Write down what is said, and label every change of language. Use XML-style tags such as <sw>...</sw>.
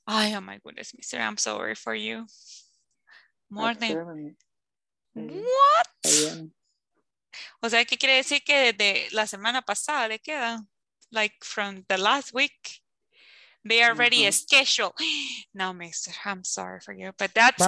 <en>Ay, oh my goodness, mister, I'm sorry for you. Morning. What?</en> <es>O sea, ¿qué quiere decir que desde la semana pasada le queda?</es> <en>Like from the last week. They already scheduled. No, mister, I'm sorry for you, but that's</en>